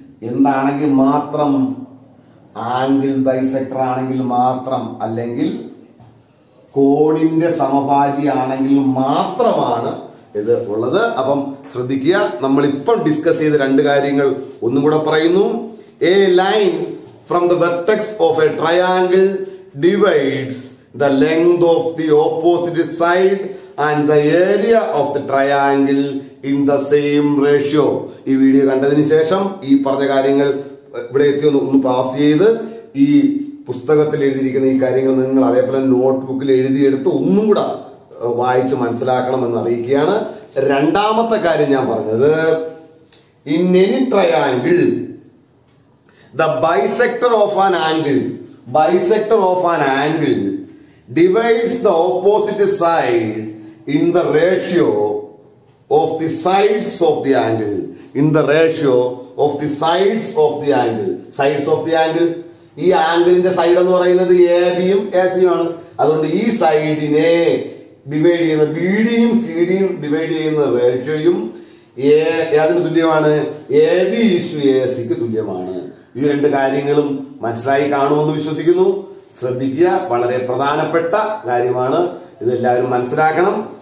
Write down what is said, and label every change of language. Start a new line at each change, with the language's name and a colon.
Malayalam: എന്താണെങ്കിൽ മാത്രം angle bisector ആണെങ്കിൽ മാത്രം, അല്ലെങ്കിൽ കോണിന്റെ സമഭാജി ആണെങ്കിൽ മാത്രമാണ് ഇത് ഉള്ളത്. അപ്പം ശ്രദ്ധിക്കുക, നമ്മളിപ്പം ഡിസ്കസ് ചെയ്ത രണ്ട് കാര്യങ്ങൾ ഒന്നും കൂടെ പറയുന്നു.
English: A line from the vertex of a triangle divides the length of the opposite side and the area of the triangle in the same ratio.
Malayalam: ഈ വീഡിയോ കണ്ടതിനു ശേഷം ഈ പറഞ്ഞ കാര്യങ്ങൾ ഇവിടെ എത്തി ഒന്ന് പാസ് ചെയ്ത് ഈ പുസ്തകത്തിൽ എഴുതിയിരിക്കുന്ന ഈ കാര്യങ്ങൾ നിങ്ങൾ അതേപോലെ നോട്ട്ബുക്കിൽ എഴുതിയെടുത്ത് ഒന്നും കൂടെ വായിച്ച് മനസ്സിലാക്കണം എന്ന് അറിയിക്കുകയാണ്. രണ്ടാമത്തെ കാര്യം ഞാൻ പറഞ്ഞത്,
English: In any triangle the bisector of an angle, bisector of an angle divides the opposite side in the ratio of the sides of the angle, in the ratio of the sides of the angle, sides of the angle.
Malayalam: ഈ ആംഗിളിന്റെ side എന്ന് പറയുന്നത് A ബിയും A സിയും ആണ്. അതുകൊണ്ട് ഈ സൈഡിനെ divide ചെയ്യുന്ന B ഡിയും സി ഡിയും ഡിവൈഡ് ചെയ്യുന്ന റേഷ്യോയും അതിന് തുല്യമാണ്, A B is to A സിക്ക് തുല്യമാണ്. ഈ രണ്ട് കാര്യങ്ങളും മനസ്സിലായി കാണുമെന്ന് വിശ്വസിക്കുന്നു. ശ്രദ്ധിക്കുക, വളരെ പ്രധാനപ്പെട്ട കാര്യമാണ്, ഇതെല്ലാവരും മനസ്സിലാക്കണം.